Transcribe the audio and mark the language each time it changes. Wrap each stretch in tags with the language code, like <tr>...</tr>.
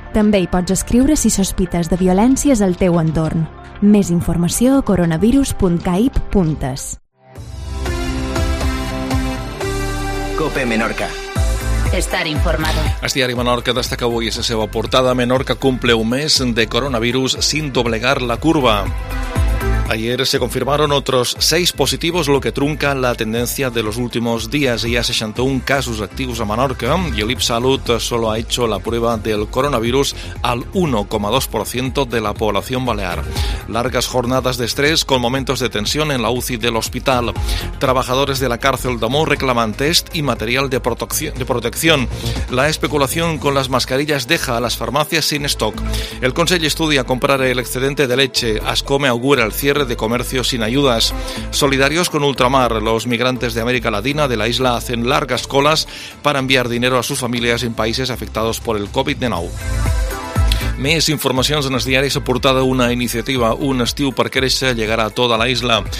<ca>També hi pots escriure si sospites de violències al teu entorn. Més informació a coronavirus.caip.es.</ca> <es>COPE Menorca. Estar informado.</es> <ca>El diari Menorca destaca avui la seva portada.</ca> <es>Menorca cumple un mes de coronavirus sin doblegar la curva. Ayer se confirmaron otros 6 positivos, lo que trunca la tendencia de los últimos días. Ya 61 casos activos a Menorca y el Ipsalud solo ha hecho la prueba del coronavirus al 1,2% de la población balear. Largas jornadas de estrés con momentos de tensión en la UCI del hospital. Trabajadores de la cárcel de Mou reclaman test y material de protección. La especulación con las mascarillas deja a las farmacias sin stock. El Consejo estudia comprar el excedente de leche. Ascome augura el cierre de comercio sin ayudas. Solidarios con Ultramar, los migrantes de América Latina de la isla hacen largas colas para enviar dinero a sus familias en países afectados por el COVID-19.</es> <ca>Més informacions en el diari. S'ha portat una iniciativa, Un estiu per créixer, llegarà a tota la isla.</ca>